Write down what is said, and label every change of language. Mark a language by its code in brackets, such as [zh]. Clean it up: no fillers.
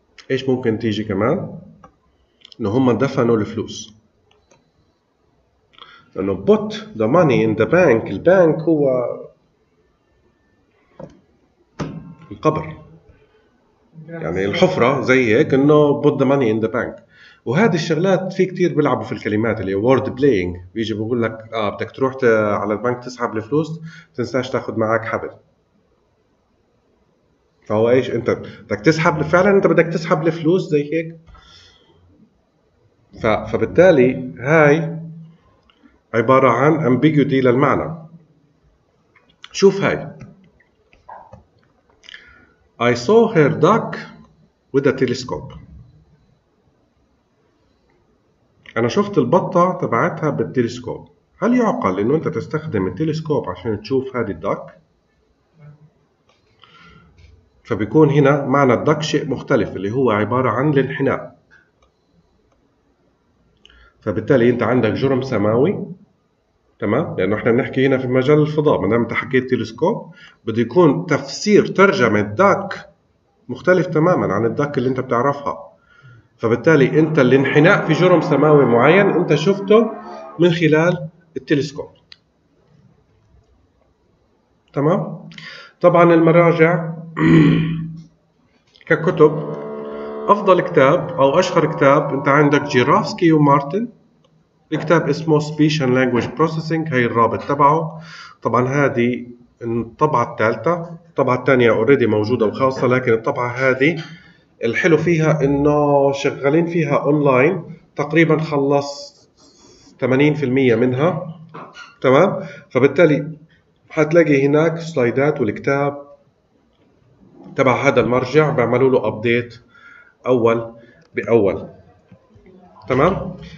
[ar] ايش ممكن تيجي كمان؟ ان هم دفنوا الفلوس. لانه [en] put the money in the bank. [ar] البنك هو القبر. يعني الحفرة زي هيك انه [en] put the money in the bank. [ar] وهذه الشغلات في كتير بيلعبوا في الكلمات اللي [en] word playing. [ar] بيجي بيقول لك بدك تروح على البنك تسحب الفلوس تنساش تاخد معك حبل. فهو ايش انت بدك تسحب فعلا انت بدك تسحب الفلوس زي هيك. فبالتالي هاي عبارة عن ambiguity للمعنى. شوف هاي [en] I saw her duck with a telescope. [ar] أنا شفت البطة تبعتها بالتلسكوب. هل يعقل إنه أنت تستخدم التلسكوب عشان تشوف هذه الدك؟ فبيكون هنا معنى الدك شيء مختلف اللي هو عبارة عن الانحناء. فبالتالي أنت عندك جرم سماوي. تمام؟ لأنه إحنا بنحكي هنا في مجال الفضاء. ما دام أنت حكيت تلسكوب بده يكون تفسير ترجمة الدك مختلف تماماً عن الدك اللي أنت بتعرفها. فبالتالي انت الانحناء في جرم سماوي معين انت شفته من خلال التلسكوب. تمام. طبعا المراجع ككتب افضل كتاب او اشهر كتاب انت عندك جيرافسكي ومارتن. الكتاب اسمه [en] Speech and Language Processing. [ar] هاي الرابط تبعه. طبعا هذه الطبعه الثالثه. الطبعه الثانيه اوريدي موجوده وخاصه لكن الطبعه هذه الحلو فيها انه شغالين فيها اونلاين. تقريبا خلص 80% منها. تمام. فبالتالي هتلاقي هناك سلايدات والكتاب تبع هذا المرجع بيعملوا له ابديت اول باول. تمام.